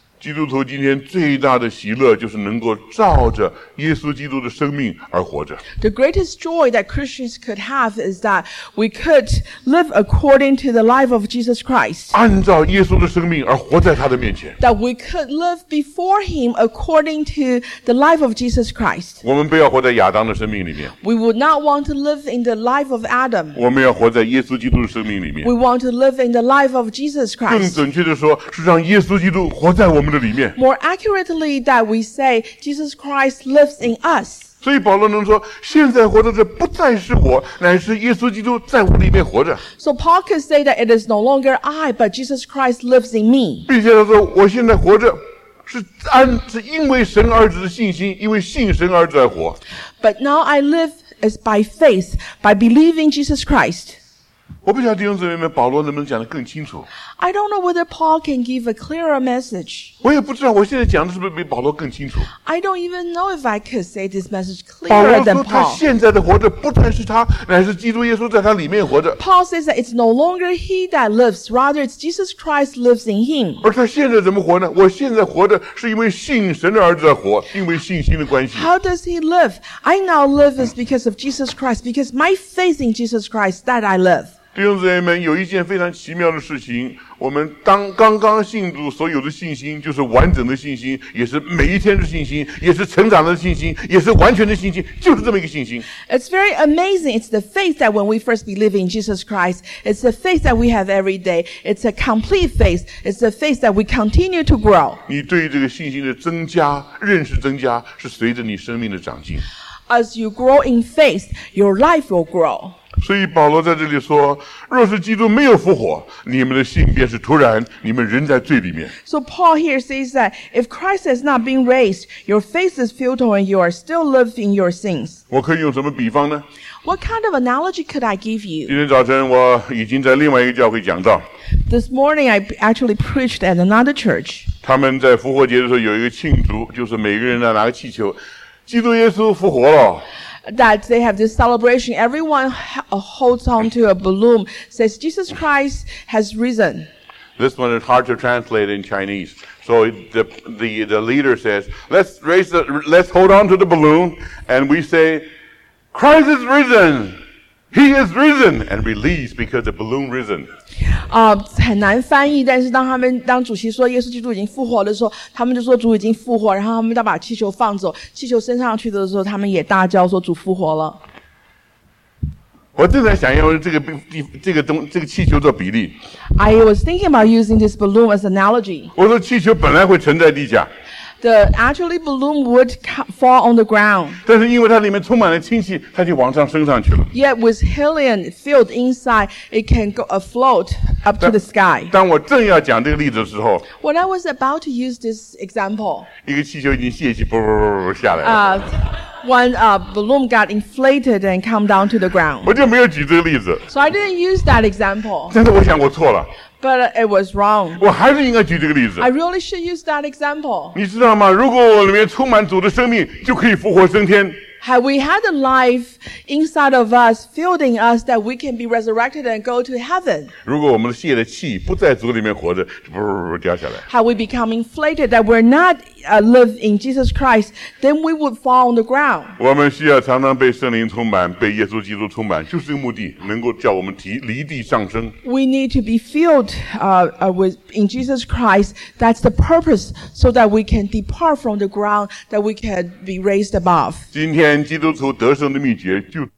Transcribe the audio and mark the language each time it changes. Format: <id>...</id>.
<zh>基督徒今天最大的喜乐就是能够照着耶稣基督的生命而活着。</zh> <en>The greatest joy that Christians could have is that we could live according to the life of Jesus Christ.</en> <zh>按照耶稣的生命而活在他的面前。</zh> <en>That we could live before him according to the life of Jesus Christ.</en> <zh>我们不要活在亚当的生命里面。</zh> <en>We would not want to live in the life of Adam.</en> <zh>我们要活在耶稣基督的生命里面。</zh> <en>We want to live in the life of Jesus Christ.</en> <zh>更准确地说，是让耶稣基督活在我们的里面。</zh> <en>More accurately that we say Jesus Christ lives in us.</en> <zh>所以保罗能说，现在活的这不再是我，乃是耶稣基督在我里面活着。</zh> <en>So Paul can say that it is no longer I, but Jesus Christ lives in me.</en> <zh>并且他说，我现在活着是因为神儿子的信心，因为信神儿子而活。</zh> <en>But now I live is by faith, by believing Jesus Christ.</en> <zh>我不晓得弟兄姊妹们，保罗能不能讲得更清楚。</zh> <en>I don't know whether Paul can give a clearer message.</en> <zh>我也不知道我现在讲的是不是比保罗更清楚。</zh> <en>I don't even know if I could say this message clearer than Paul.</en> <zh>保罗说他现在的活着不但是他，乃是基督耶稣在他里面活着。</zh> <en>Paul says that it's no longer he that lives, rather it's Jesus Christ lives in him.</en> <zh>而他现在怎么活呢？我现在活着是因为信神的儿子在活，因为信心的关系。</zh> <en>How does he live? I now live is because of Jesus Christ, because my faith in Jesus Christ that I live.</en> <zh>弟兄姊妹们，有一件非常奇妙的事情，我们当刚刚信主所有的信心，就是完整的信心，也是每一天的信心，也是成长的信心，也是完全的信心，就是这么一个信心。</zh> <en>It's very amazing. It's the faith that when we first believe in Jesus Christ, it's the faith that we have every day. It's a complete faith. It's the faith that we continue to grow.</en> <zh>你对这个信心的增加，认识增加，是随着你生命的长进。</zh> <en>As you grow in faith, your life will grow.</en> <zh>所以保罗在这里说，若是基督没有复活，你们的信便是徒然，你们仍在罪里面。</zh> <en>So Paul here says that if Christ has not been raised, your faith is futile and you are still living your sins.</en> <zh>我可以用什么比方呢？</zh> <en>What kind of analogy could I give you?</en> <zh>今天早晨我已经在另外一个教会讲道。</zh> <en>This morning I actually preached at another church.</en> <zh>他们在复活节的时候有一个庆祝，就是每个人拿个气球，基督耶稣复活了。</zh> <en>That they have this celebration. Everyone holds on to a balloon, says Jesus Christ has risen. This one is hard to translate in Chinese. So the leader says, let's hold on to the balloon, and we say, Christ is risen. He is risen, and release because the balloon risen.</en> <zh>很难翻译，但是当主席说耶稣基督已经复活的时候，他们就说主已经复活，然后他们要把气球放走，气球升上去的时候，他们也大叫说主复活了。我正在想要用这个气球做比例。</zh> <en>I was thinking about using this balloon as analogy.</en> <zh>我说气球本来会沉在地下。</zh> <en>The actually balloon would fall on the ground.</en> <zh>但是因为它里面充满了氢气，它就往上升上去了。</zh> <en>Yet with helium filled inside, it can go afloat up to the sky.</en> <zh>当我正要讲这个例子的时候</zh> <en>，When I was about to use this example,</en> <zh>一个气球已经泄气，噗下来了。</zh> <en>Balloon got inflated and come down to the ground.</en> <zh>我就没有举这个例子。</zh> <en>So I didn't use that example.</en> <zh>但是我想我错了。</zh> <en>But it was wrong.</en> <zh>我还是应该举这个例子。</zh> <en>I really should use that example.</en> <zh>你知道吗？如果我里面充满主的生命，就可以复活升天。</zh> <en>Had we had a life inside of us, filling us, that we can be resurrected and go to heaven.</en> <zh>如果我们的泄的气不在主里面活着，噗掉下来。</zh> <en>Had we become inflated, that we're not live in Jesus Christ, then we would fall on the ground.</en> <zh>我们需要常常被圣灵充满，被耶稣基督充满，就是这个目的，能够叫我们离地上升。</zh> <en>We need to be filled in Jesus Christ. That's the purpose, so that we can depart from the ground, that we can be raised above.</en> <zh>今天基督徒得胜的秘诀就是</zh>